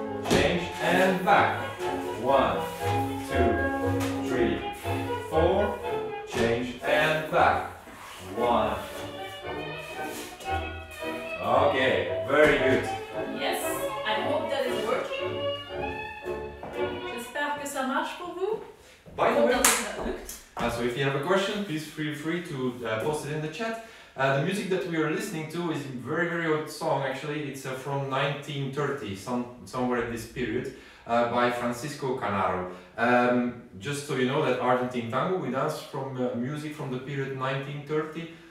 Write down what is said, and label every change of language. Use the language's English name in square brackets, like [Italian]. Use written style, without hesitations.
[English] Change and back. 1, 2, 3, 4. Change and back. 1. Okay, very good. Yes, I hope that is working. [French] J'espère que ça marche pour vous. [English] By the way, so if you have a question, please feel free to post it in the chat. The music that we are listening to is a very, very old song, actually. It's from 1930, somewhere in this period, by Francisco Canaro. Just so you know that Argentine tango, we dance from music from the period 1930